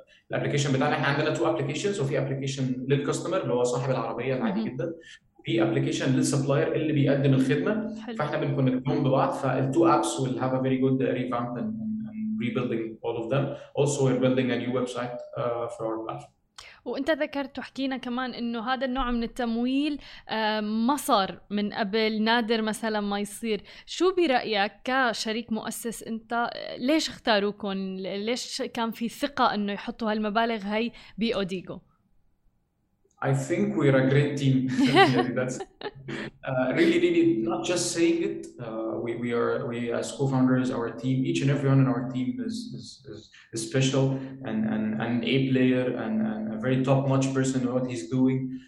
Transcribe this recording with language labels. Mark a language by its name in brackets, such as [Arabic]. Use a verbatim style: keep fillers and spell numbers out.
[Arabic] الابلكيشن بتاعنا احنا عندنا تو ابلكيشنز، وفي ابلكيشن للكاستمر اللي هو صاحب العربيه العادي جدا، في ابلكيشن للسبلاير اللي بيقدم الخدمه. حلو. فاحنا بنكونكتهم ببعض، فالتو ابس [English] will have a very good revamp and, and rebuilding all of them. Also we're building a new website uh, for our platform. [Arabic] وانت ذكرت وحكينا كمان انه هذا النوع من التمويل ما صار من قبل، نادر مثلا ما يصير. شو برأيك كشريك مؤسس انت، ليش اختاروكم؟ ليش كان في ثقة انه يحطوا هالمبالغ هاي بأوديجو؟ [English] I think we're a great team. That's uh, really, really not just saying it. Uh, we, we are, we as co-founders, our team, each and everyone in our team is is, is, is special and, and, and an A player and, and a very top-notch person in what he's doing.